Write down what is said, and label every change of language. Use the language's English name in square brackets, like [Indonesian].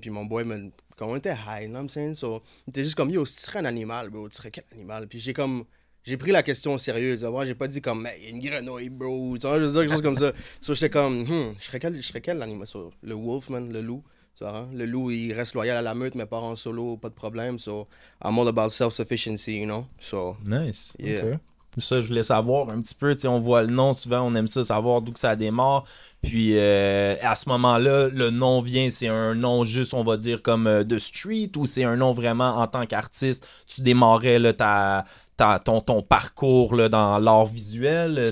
[French] Puis mon boy, quand on était high, [English] you know what I'm saying? [French] So, il était juste comme, yo, si tu serais un animal, bro, tu serais quel animal? Puis j'ai pris la question au sérieux. Tu vois, j'ai pas dit comme, hey, une grenouille, bro. Tu vois, je veux dire quelque chose comme ça. So, j'étais comme, je serais quel animal? So, le wolf, man, le loup. Ça, hein? Le loup, il reste loyal à la meute, mais part en solo, pas de problème. [English] So, I'm all about self-sufficiency, you know? So, nice. Yeah. Okay. [French] Ça, je voulais savoir un petit peu. Tu sais, on voit le nom souvent, on aime ça savoir d'où que ça démarre. Puis à ce moment-là, le nom vient, c'est un nom juste, on va dire, comme The Street, ou c'est un nom vraiment en tant qu'artiste, tu démarrais là, ton parcours là, dans l'art visuel?